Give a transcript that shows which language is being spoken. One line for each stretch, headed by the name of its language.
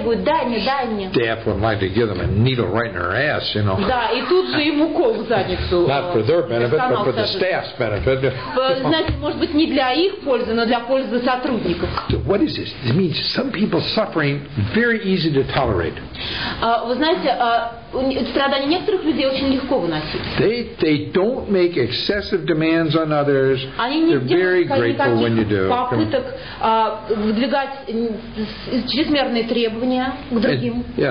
English: Staff wouldn't like to give them a needle right in their ass, you know.
Russian: Да, и тут же ему кол в задницу.
English: Not for their benefit, but for the staff's benefit.
Russian: Знаете, может быть, не для их пользы, но для пользы сотрудников.
English: What is this? It means some people suffering very easy to tolerate.
Russian: Вы знаете, страдания некоторых людей очень легко выносить.
English: They don't make excessive demands on others.
Russian: Они не делают никаких попыток выдвигать чрезмерные требования к другим.